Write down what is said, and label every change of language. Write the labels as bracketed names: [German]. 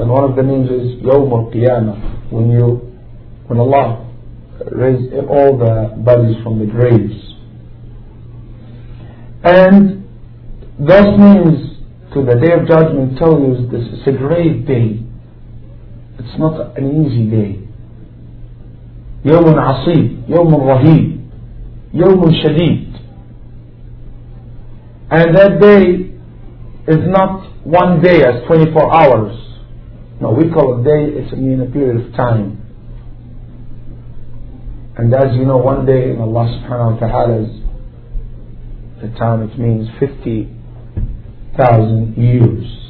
[English] And one of the names is Yawm al-Qiyamah. When Allah raises all the bodies from the graves. And those names to the Day of Judgment tell you this is a great day. It's not an easy day. [Arabic] يوم عصيب, يوم رهيب, يوم شديد. [English] And that day is not one day as 24 hours. No, we call it day, it's mean a period of time. And as you know, one day in Allah subhanahu wa ta'ala's the time, it means 50,000 years.